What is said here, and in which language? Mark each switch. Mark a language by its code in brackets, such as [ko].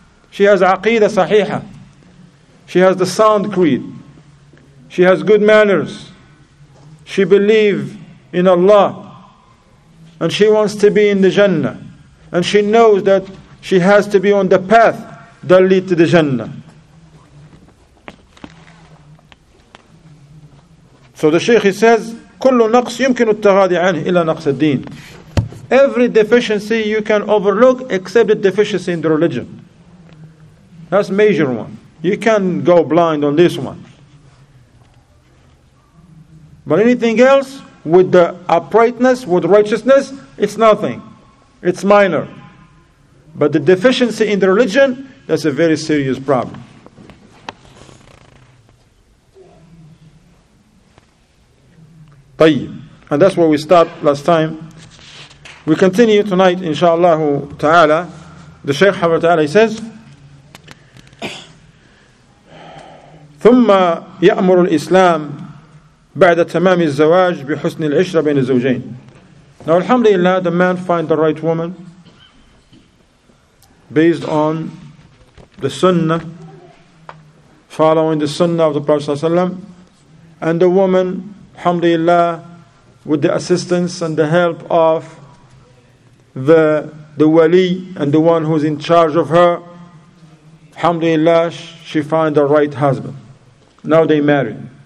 [en] She has aqidah sahiha. She has the sound creed. She has good manners. She believes in Allah. And she wants to be in the Jannah. And she knows that she has to be on the path that leads to the Jannah. So the Shaykh, he says, [ar] كل نقص يمكن التغاضي عنه إلا نقص الدين. [en] Every deficiency you can overlook except the deficiency in the religion. That's a major one. You can go blind on this one. But anything else, with the uprightness, with righteousness, it's nothing. It's minor. But the deficiency in the religion, that's a very serious problem. [ar] طيب. [en] And that's where we stopped last time. We continue tonight, inshallah ta'ala. The Shaykh Hafidhahu ta'ala, he says, [ar] ثُمَّ يَأْمُرُ الْإِسْلَامِ بعد تمام الزواج بحسن العشرة بين الزوجين. [en] Now alhamdulillah, the man find the right woman based on the sunnah, following the sunnah of the Prophet sallallahu alaihi wasallam, and the woman, alhamdulillah, with the assistance and the help of the wali and the one who's in charge of her, alhamdulillah, she find the right husband. Now they marry.